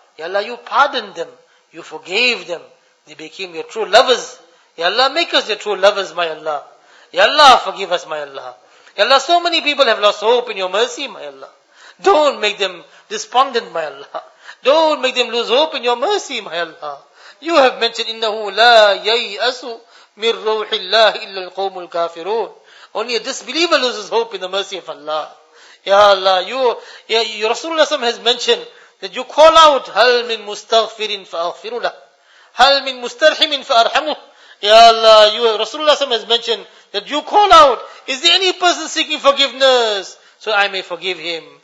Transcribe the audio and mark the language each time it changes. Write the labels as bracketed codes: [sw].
[en] Ya Allah, you pardoned them. You forgave them. They became your true lovers. Ya Allah, make us your true lovers, my Allah. Ya Allah, forgive us, my Allah. Ya Allah, so many people have lost hope in your mercy, my Allah. Don't make them despondent, my Allah. Don't make them lose hope in your mercy, my Allah. You have mentioned, [ar] إِنَّهُ لَا يَيْأَسُ مِنْ رُوحِ اللَّهِ إِلَّا الْقَوْمُ الْكَافِرُونَ. [en] Only a disbeliever loses hope in the mercy of Allah. Ya Allah, you Rasulullah SAW has mentioned that you call out, [ar] هَلْ مِنْ مُسْتَغْفِرٍ فَأَغْفِرُ لَهُ هَلْ مِنْ مُسْتَرْحِمٍ فَأَرْحَمُهُ. [en] Ya Allah, you Rasulullah SAW has mentioned that you call out, is there any person seeking forgiveness so I may forgive him?